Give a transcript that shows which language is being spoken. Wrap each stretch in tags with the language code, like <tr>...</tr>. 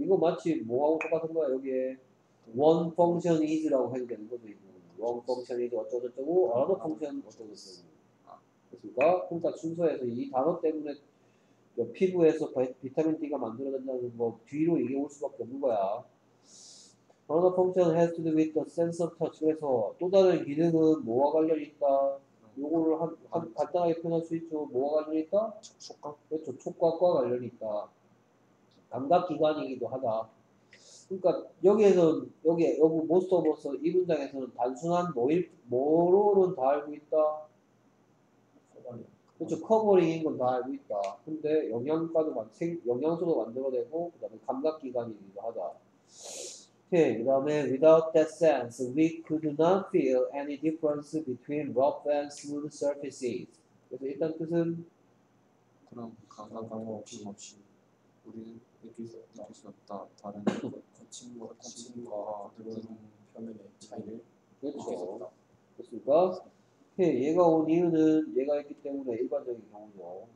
<ko>이거 마치 뭐하고 똑같은 거야, 여기에.</ko> <en>one function is라고</en> <ko>해도 되는 거죠, 이거.</ko> <en>one function is 어쩌고저쩌고, another function 어쩌고저쩌고.</en> <ko>그러니까 순서에서 이 단어 때문에 피부에서 비타민 D가 만들어진다는 거 뒤로 이게 올 수밖에 없는 거야.</ko> <en>Another function has to do with the sense of touch.</en> <ko>그래서 또 다른 기능은 뭐와 관련 있다? 요거를 한 간단하게 표현할 수 있죠. 뭐와 관련 있다? 촉각. 그렇죠. 촉각과 관련 있다. 감각 기관이기도 하다. 그러니까 여기에서 여기 여기</ko> <en>most of us</en> <ko>이 문장에서는 단순한 뭐로는 다 알고 있다. 그렇죠. 커버링인 건다 알고 있다. 근데 영양소도 만들어내고, 그 다음에 감각기관이기도 하다. 오케이.</ko> <en>그 다음에 without that sense, we could not feel any difference between rough and smooth surfaces.</en> <ko>그래서 일단 뜻은 그런 강한 방어 없이 우리는 느낄 수 없다. 다른 거친 거친과 그런 표면의 차이를 그렇죠. 그렇습니까? 오케이. 얘가 온 이유는 얘가 있기 때문에 일반적인 경우죠.</ko>